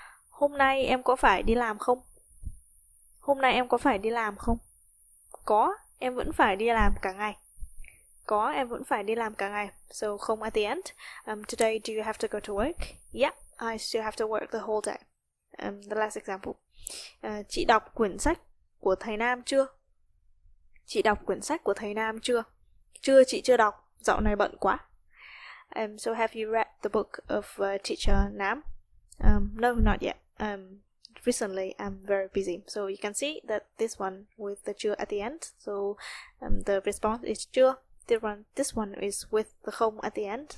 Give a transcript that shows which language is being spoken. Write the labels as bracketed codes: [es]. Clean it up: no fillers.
[vi] Hôm nay em có phải đi làm không? Hôm nay em có phải đi làm không? Có, em vẫn phải đi làm cả ngày. Có, em vẫn phải đi làm cả ngày. [en] So, không at the end. Today, do you have to go to work? Yeah, I still have to work the whole day. The last example. [vi] Chị đọc quyển sách của thầy Nam chưa? Chị đọc quyển sách của thầy Nam chưa? Chưa, chị chưa đọc. Dạo này bận quá. [en] So, have you read the book of teacher Nam? No, not yet. Recently, I'm very busy. So you can see that this one with the chưa at the end. So the response is chưa. This one is with the không at the end.